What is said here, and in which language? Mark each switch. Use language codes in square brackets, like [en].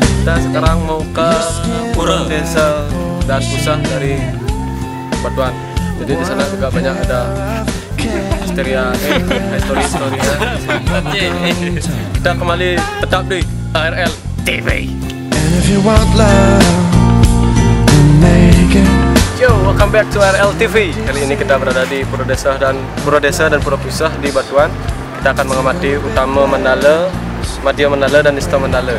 [id] Kita sekarang mau ke pura desa dan pusat dari Batuan. Jadi di sana juga banyak ada histeria, historinya. Kita kembali tetap di ARL TV. [en] And if you want love, make it. Yo, welcome back to ARL TV. [id] Kali ini kita berada di Pura Desa dan Pura Pisah di Batuan. Kita akan mengamati Utama Mandala, Madya Mandala, dan Nista Mandala.